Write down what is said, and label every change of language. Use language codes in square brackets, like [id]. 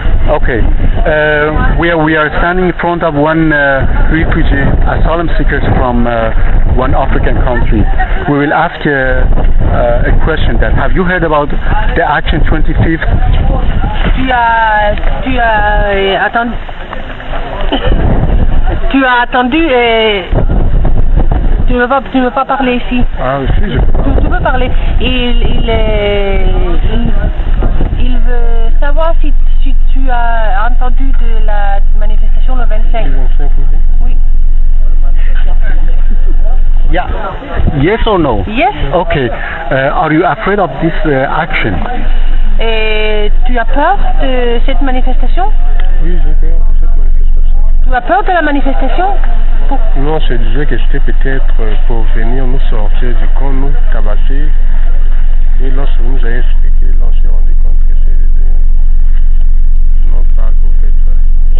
[en] Okay. We are standing in front of one refugee asylum seekers from one African country. We will ask a question. That have you heard about the action 25th? [fr] Tu as attendu Tu ne veux pas parler ici. Ah, si, je peux. Tu peux parler. Il veut savoir si tu as entendu de la manifestation le 25. Oui. [en] Yeah. Yes or no? Yes. Okay. Are you afraid of this action? [fr] Et tu as peur de cette manifestation? Oui, j'ai peur de cette manifestation. Tu as peur de la manifestation? Non, je disais que c'était peut-être pour venir nous sortir du camp, nous tabasser. Et lorsque vous nous avez expliqué, là, on s'est rendu compte que c'est notre part qu'on fait ça.